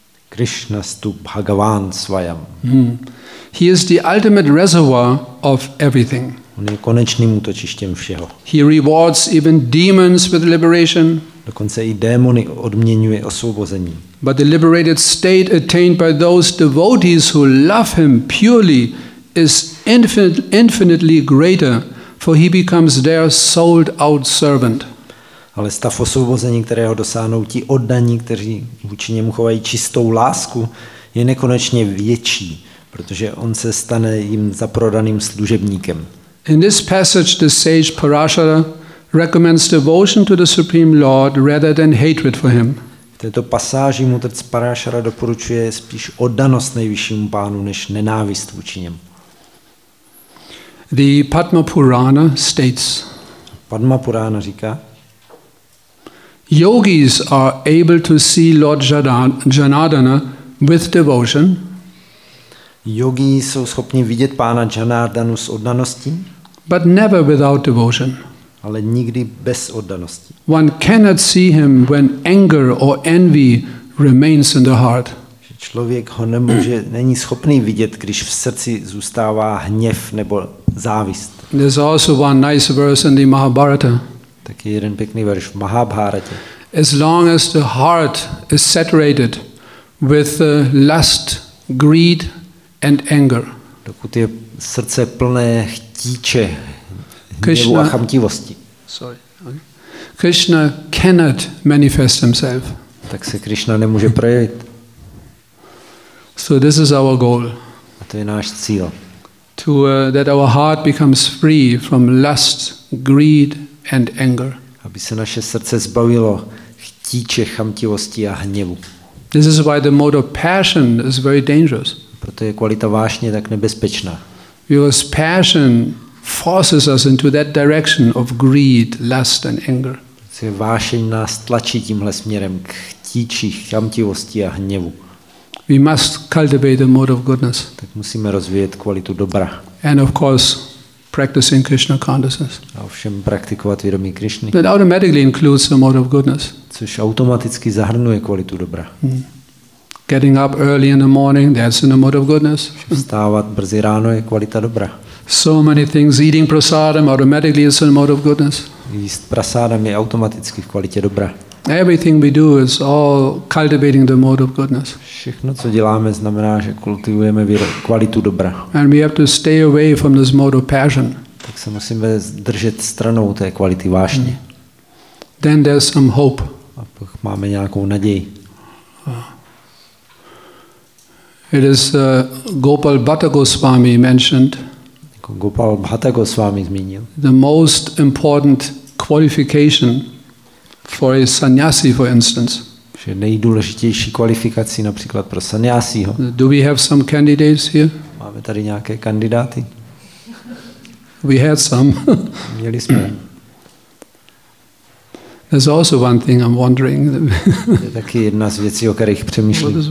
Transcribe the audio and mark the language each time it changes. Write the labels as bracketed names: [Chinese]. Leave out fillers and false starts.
[Sanskrit] Krishnastu Bhagavan svayam. [English] He is the ultimate reservoir of everything. [Czech] On je konečným útočištěm všeho. [English] He rewards even demons with liberation. [Czech] Dokonce i démony odměňuje osvobození. [English] But the liberated state attained by those devotees who love him purely is infinitely greater, for he becomes their sold out servant. [Czech] Ale stav osvobození, kterého dosáhnou ti oddaní, kteří vůči němu chovají čistou lásku, je nekonečně větší, protože on se stane jim zaprodaným služebníkem. [English] In this passage the sage Parashara recommends devotion to the Supreme Lord rather than hatred for him. [Czech] V této pasáži mudrc Parashara doporučuje spíš oddanost nejvyššímu pánu než nenávist vůči němu. [English] The Padma Purana states. [Czech] Padma Purana říká. [English] Yogis are able to see Lord Janardana with devotion. [Czech] Yogi jsou schopni vidět pána Janardanu s oddaností. [English] But never without devotion. [Czech] Ale nikdy bez oddanosti. [English] One cannot see him when anger or envy remains in the heart. [Czech] Člověk ho nemůže, není schopný vidět, když v srdci zůstává hněv nebo závist. [English] There's also one nice verse in the Mahabharata. [Czech] Taky jeden pěkný verš v Mahabharatě. [English] As long as the heart is saturated with lust, greed and anger. [Czech] Dokud je srdce plné chtíče, hněvu a chamtivosti. [English] Krishna cannot manifest himself. [Czech] Tak se Krishna nemůže projevit. [English] So this is our goal. [Czech] A to je náš cíl. [English] To that our heart becomes free from lust, greed and anger. [Czech] Aby se naše srdce zbavilo chtíče, chamtivosti a hněvu. [English] This is why the mode of passion is very dangerous. [Czech] Proto je kvalita vášně tak nebezpečná. [English] Because passion forces us into that direction of greed, lust and anger. [Czech] Vášeň nás tlačí tímhle směrem k chtíči. chtíčích, chamtivosti a hněvu. [English] We must cultivate the mode of goodness. [Czech] Tak musíme rozvíjet kvalitu dobra. [English] And of course, practicing Krishna consciousness. [Czech] A ovšem praktikovat vědomí Krišny. [English] That automatically includes the mode of goodness. [Czech] Což automaticky zahrnuje kvalitu dobra. [English] Getting up early in the morning, that's in the mode of goodness. [Czech] Vstávat brzy ráno je kvalita dobra. [English] So many things, eating prasadam automatically is in the mode of goodness. [Czech] Jíst prasadam je automaticky v kvalitě dobra. [English] Everything we do is all cultivating the mode of goodness. [Czech] Všechno, co děláme, znamená, že kultivujeme kvalitu dobra. [English] And we have to stay away from this mode of passion. [Czech] Tak se musíme držet stranou té kvality vášně. [English] Then there's some hope. [Czech] A pak máme nějakou naději. [English] It is Gopal Bhatta Goswami mentioned. [Czech] Gopal Bhatta Goswami zmínil. [English] The most important qualification for a sannyasi, for instance. [Czech] Že nejdůležitější kvalifikací například pro sannyasiho. [English] Do we have some candidates here? [Czech] Máme tady nějaké kandidáty? [English] We had some. [Czech] Měli jsme. [English] There's also one thing I'm wondering. [Czech] Je taky jedna z věcí, o kterých přemýšlím.